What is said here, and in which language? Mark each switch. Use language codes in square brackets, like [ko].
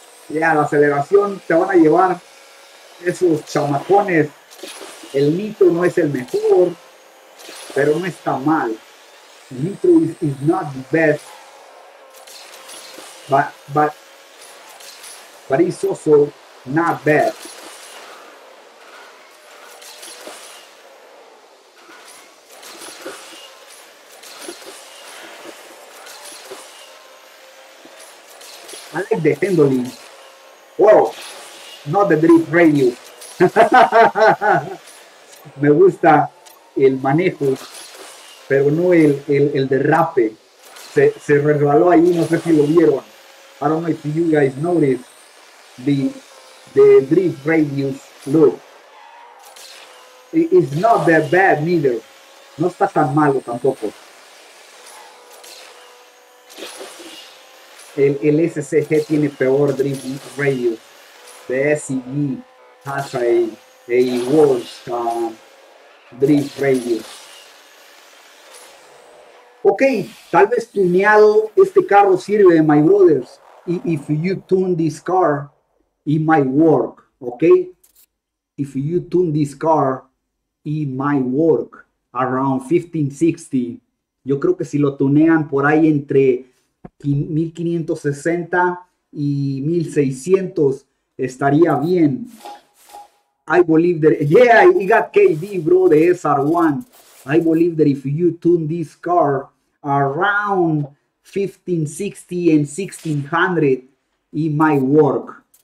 [es] La aceleración te van a llevar esos chamacones. El Nitro no es el mejor, pero no está mal. [en] Nitro is not the best, but it's also not bad. I like the handling. Well, not the drift radio. [es] Me gusta el manejo, pero no el derrape. Se resbaló ahí, no sé si lo vieron. [en] I don't know if you guys noticed the drift radius. Look, it's not that bad neither. [es] No está tan malo tampoco. El SCG tiene peor drift radius. [en] The SCG has a worse drift radius. [es] Ok, tal vez tuneado este carro sirve, [en] my brothers. If you tune this car, it might work, ok? If you tune this car, it might work around 1560. [es] Yo creo que si lo tunean por ahí entre 1560 y 1600, estaría bien. [en] I believe that, yeah, he got KD, bro, the SR1. I believe that if you tune this car around 1560 and 1600, it might work.